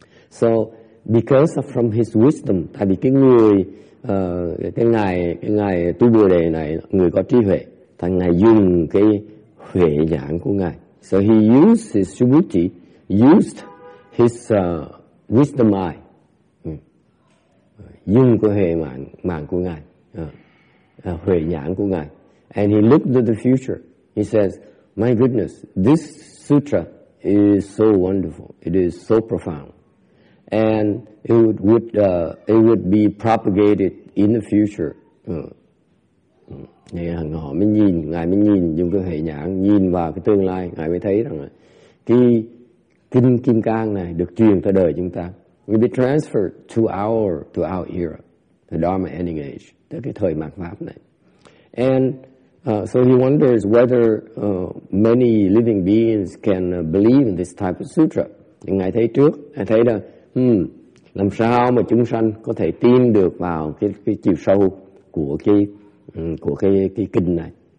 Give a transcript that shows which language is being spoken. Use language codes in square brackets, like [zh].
[en] So because of from his wisdom, [vi] tại vì cái người cái ngài tu Bồ Đề này, người có trí huệ, thành ngài dùng cái huệ nhãn của ngài. [en] So he used his subhuti, used his wisdom eye. [vi] Dung của huệ mạng của ngài, huệ nhãn của ngài, [en] and he looked to the future. He says, "My goodness, this sutra is so wonderful. It is so profound, and it would be propagated in the future." [vi] Ngài mới nhìn dùng cái huệ nhãn nhìn vào cái tương lai, ngài mới thấy rằng cái kinh Kim Cang này được truyền tới đời chúng ta. [en] Will be transferred to our era, the Dharma ending age, [vi] tức cái thời mạt pháp này. [en] And so he wonders whether many living beings can believe in this type of sutra. [vi] Ngài thấy trước, ngài thấy là làm sao mà chúng sanh có thể tin được vào cái chiều sâu của cái kinh này.